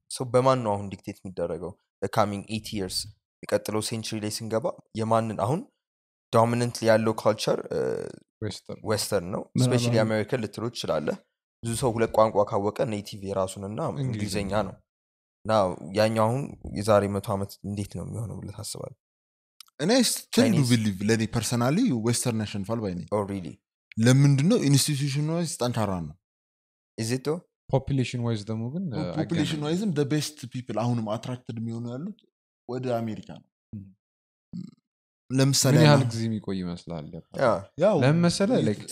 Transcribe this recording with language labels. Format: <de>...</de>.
<am>so በማን ነው አሁን ዲክቴት የሚደረገው</am> <en>the coming 8 years</en> <am>የቀጥለው century ላይ ስንገባ የማንን አሁን dominantly ያለው culture</am> <en>western</en> <am>ነው</am> <en>especially american literature</en> <am>ይችላል ብዙ ሰው ሁለት ቋንቋ ካወቀ native የራሱንና እንግሊዘኛ ነው now ያኛው አሁን የዛሬ 100 አመት እንዴት ነው የሚሆነው ብለ ታስባለ</am> <en>and I still do believe that personally western nation fall by me oh really</en> <am>ለምንድነው ኢንስቲትዩሽን ዋይዝ ጠንካራ ነው</am> <en>is it though population wise</en> <am>ደሞ ግን</am> <en>population wise the best people</en> <am>አሁንም አትራክትድ የሚሆኑ ያሉት ወደ አሜሪካ ነው ለምሳሌ ያን ግዜም ይቆይ ይመስላል ያው ለምሳሌ</am> <en>like</en>